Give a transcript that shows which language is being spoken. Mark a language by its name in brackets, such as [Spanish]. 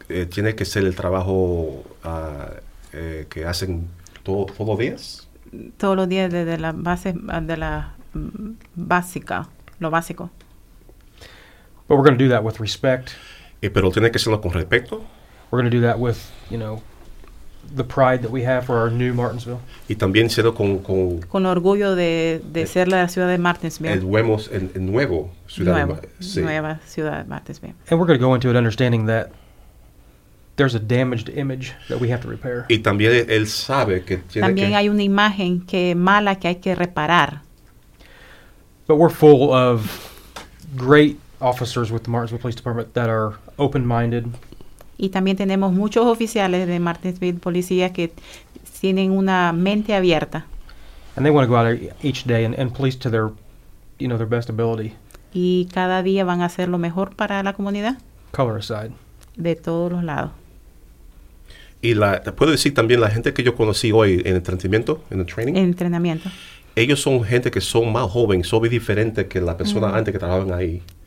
[Spanish] Tiene que ser el trabajo que hacen todos los días. Todos los días desde la base, de la básica, lo básico. [English] But we're going to do that with respect. [Spanish] Pero tiene que serlo con respeto. [English] We're going to do that with, you know, the pride that we have for our new Martinsville. [Spanish] Y también serlo con orgullo de ser la ciudad de Martinsville. Nueva ciudad de Martinsville. [English] And we're going to go into it understanding that there's a damaged image that we have to repair. [Spanish] Y también él sabe que tiene también que hay una imagen que mala que hay que reparar. [English] But we're full of great officers with the Martinsville Police Department that are open-minded. [Spanish] Y también tenemos muchos oficiales de Martinsville Policía que tienen una mente abierta. [English] And they want to go out each day and police to their, you know, their best ability. [Spanish] Y cada día van a hacer lo mejor para la comunidad. [English] Color aside. [Spanish] De todos los lados. Y te puedo decir también, la gente que yo conocí hoy en entrenamiento, en el training. En entrenamiento. Ellos son gente que son más jóvenes, son muy diferentes que la persona antes que trabajaban ahí.